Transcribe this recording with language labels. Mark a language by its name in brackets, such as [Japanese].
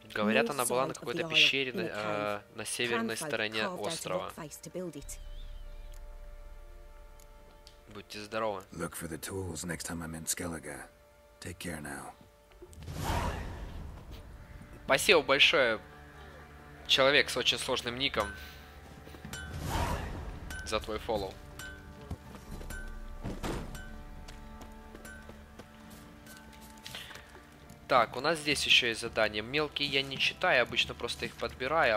[Russian] Говорят, она была на какой-то пещере на северной стороне острова. Будьте здоровы. [English] Look for the tools next time I'm in Skellige. Take care now. [Russian] Спасибо большое, человек с очень сложным ником, за твой фоллоу. Так, у нас здесь еще есть задание. Мелкие я не читаю, обычно просто их подбираю.